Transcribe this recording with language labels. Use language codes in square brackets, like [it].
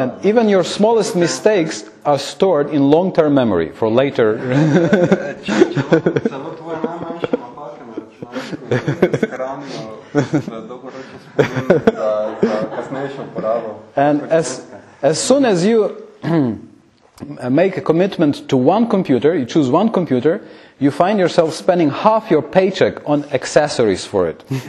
[en] And even your smallest mistakes are stored in long-term memory for later. [sl] Celo tvoje najmanjše napake na računalniku je skranjeno za dolgoročno spomin, za kasnejšo uporabo. [en] And as soon as you make a commitment to one computer, you choose one computer, you find yourself spending half your paycheck on accessories for it.